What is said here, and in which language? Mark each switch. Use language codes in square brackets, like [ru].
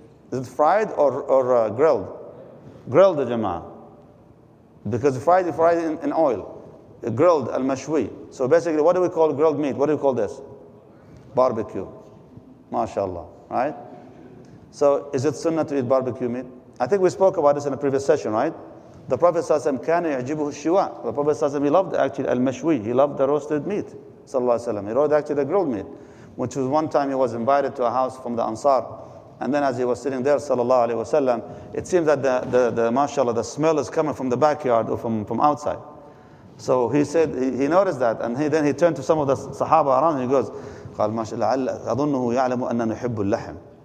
[en] Is it fried or grilled? Grilled, jama'ah. Because fried in oil. Grilled al mashwi. So basically, what do we call grilled meat? What do we call this? Barbecue. MashaAllah. Right? So is it sunnah to eat barbecue meat? I think we spoke about this in a previous session, right? The Prophet ﷺ, [ar] كان يعجبه الشواء. [en] The Prophet ﷺ, he loved actually al mashwi. He loved the roasted meat. Sallallahu alayhi wa sallam. He wrote actually the grilled meat, which was one time he was invited to a house from the Ansar. And then as he was sitting there, sallallahu alayhi wa sallam, it seems that the mashallah, the smell is coming from the backyard or from outside. So he said, he noticed that, and then he turned to some of the Sahaba around him, he goes, [ar] قال ما شاء الله, أظنه يعلم أننا نحب اللحم.